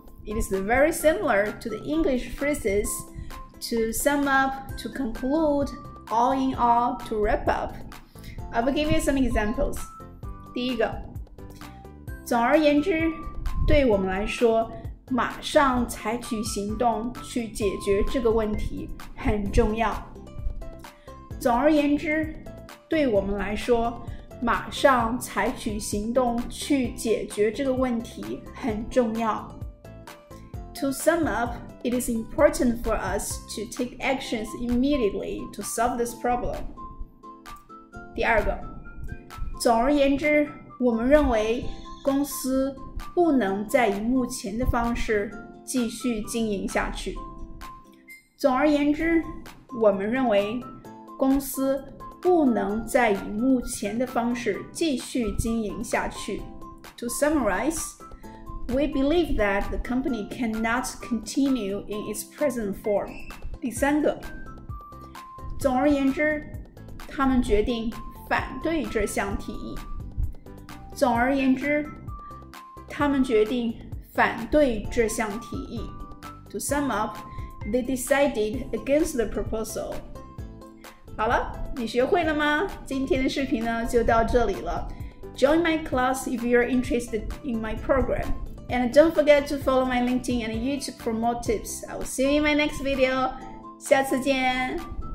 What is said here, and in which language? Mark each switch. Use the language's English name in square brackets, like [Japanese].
[English] It is very similar to the English phrases. To sum up, to conclude, all in all, to wrap up. I will give you some examples. [Chinese] 第一个，总而言之，对我们来说，马上采取行动去解决这个问题很重要。总而言之，对我们来说，马上采取行动去解决这个问题很重要。 [English] To sum up,It is important for us to take actions immediately to solve this problem. [Chinese] 第二个，总而言之，我们认为公司不能再以目前的方式继续经营下去。总而言之，我们认为公司不能再以目前的方式继续经营下去。 [English] To summarize,We believe that the company cannot continue in its present form. [Chinese] 第三个，总而言之，他们决定反对这项提议。总而言之，他们决定反对这项提议。 [English] To sum up, they decided against the proposal. [Chinese] 好了，你学会了吗？今天的视频呢，就到这里了。 [English] Join my class if you're interested in my program. And don't forget to follow my LinkedIn and YouTube for more tips. I will see you in my next video. [Chinese] 下次见。